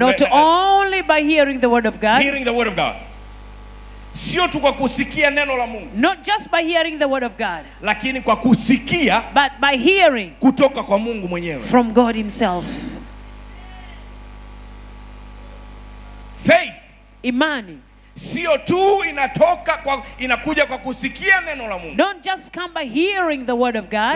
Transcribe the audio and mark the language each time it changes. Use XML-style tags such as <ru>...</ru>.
<en>Not only by hearing the word of God. Hearing the word of God.</en> <sw>Sio tu kwa kusikia neno la Mungu.</sw> <en>Not just by hearing the word of God.</en> <sw>Lakini kwa kusikia.</sw> <en>But by hearing.</en> <sw>Kutoka kwa Mungu mwenyewe.</sw> <en>From God himself. Faith.</en> <sw>Imani. Sio tu inatoka kwa inakuja kwa kusikia neno la Mungu.</sw> <en>Don't just come by hearing the word of God.</en>